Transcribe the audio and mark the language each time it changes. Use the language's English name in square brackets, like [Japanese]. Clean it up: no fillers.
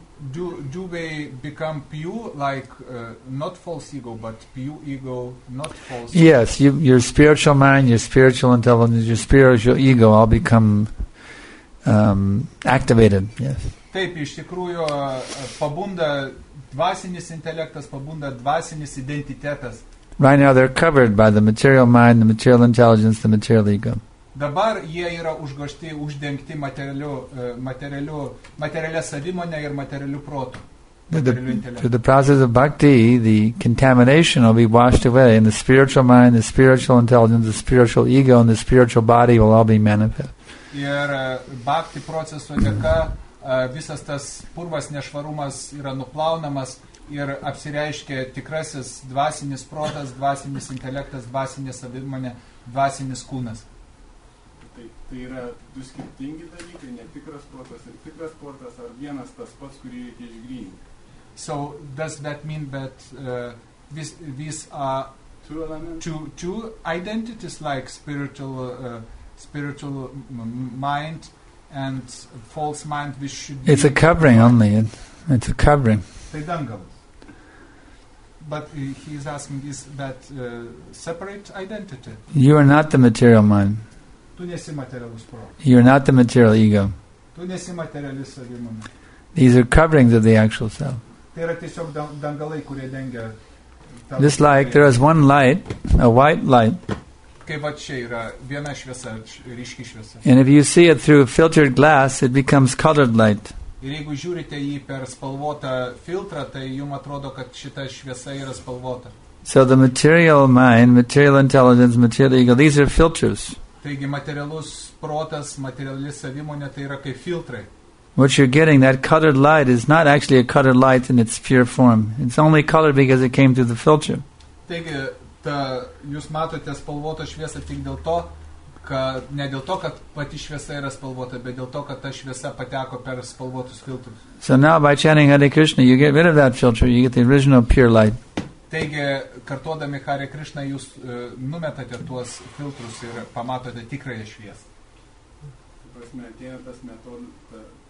[English] Do they become pure, like not false ego, but pure ego, not false ego? Yes, your spiritual mind, your spiritual intelligence, your spiritual ego all become activated. Yes. [Lithuanian] Taip, iš tikrųjų, pabunda dvasinis intelektas, pabunda dvasinis identitetas. [English] Right now they're covered by the material mind, the material intelligence, the material ego. [Lithuanian] Dabar jie yra užgošti, uždengti materialia savimone ir materialiu protu. [English] Through the process of bhakti, the contamination will be washed away, and the spiritual mind, the spiritual intelligence, the spiritual ego, and the spiritual body will all be manifest. [Lithuanian] Ir bhakti proceso dėka visas tas purvas nešvarumas yra nuplaunamas ir apsireiškia tikrasis dvasinis protas, dvasinis intelektas, dvasinė savimone, dvasinis kūnas. Tai yra du skirtingi dalykai, netikras protas ir tikras protas, ar vienas tas pats, kurį reikia išgrįninti. [English] So, does that mean that these are two identities, like spiritual mind and false mind, which should be... It's a covering only, it's a covering. [Lithuanian] Tai dangalas. [English] But he is asking, is that separate identity? You are not the material mind. [Lithuanian] Tu nesi materialus protas. [English] You're not the material ego. [Lithuanian] Tu nesi materialis savimone. [English] These are coverings of the actual self. [Lithuanian] Tai yra tiesiog dangalai, kurie dengia. [English] Just like there is one light, a white light. [Lithuanian] Kaip va čia yra viena šviesa, ryški šviesa. [English] And if you see it through filtered glass, it becomes colored light. [Lithuanian] Ir jeigu žiūrite jį per spalvotą filtrą, tai jum atrodo, kad šita šviesa yra spalvota. [English] So the material mind, material intelligence, material ego, these are filters. [Lithuanian] Taigi materialus protas, materiali savimonė, tai yra kaip filtrai. [English] What you're getting, that colored light, is not actually a colored light in its pure form. It's only colored because it came through the filter. [Lithuanian] Taigi, jūs matote spalvotą šviesą tik dėl to, kad ne dėl to, kad pati šviesa yra spalvota, bet dėl to, kad ta šviesa pateko per spalvotus filtrus. [English] So now by chanting Hare Krishna, you get rid of that filter, you get the original pure light. [Lithuanian] Taigi, kartuodami Hare Krishna, jūs numetate tuos filtrus ir pamatote tikrąją šviesą. Tai prasme, atėjo tas metodas,